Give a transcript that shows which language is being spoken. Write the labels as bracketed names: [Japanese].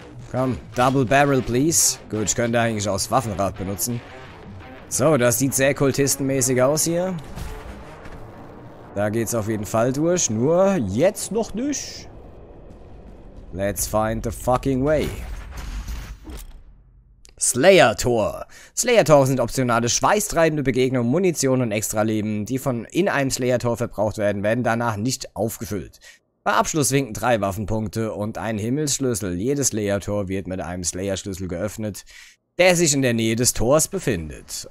[German] Komm, [English] double barrel please. [German] Gut, ich könnte eigentlich auch das Waffenrad benutzen. So, das sieht sehr kultistenmäßig aus hier. Da geht's auf jeden Fall durch. Nur jetzt noch nicht. [English] Let's find the fucking way. [German] Slayer-Tor. Slayer-Tor sind optionale schweißtreibende Begegnungen, Munition und Extra-Leben, die von in einem Slayer-Tor verbraucht werden, werden danach nicht aufgefüllt. Bei Abschluss winken 3 Waffenpunkte und ein Himmelsschlüssel. Jedes Slayer-Tor wird mit einem Slayer-Schlüssel geöffnet, der sich in der Nähe des Tors befindet.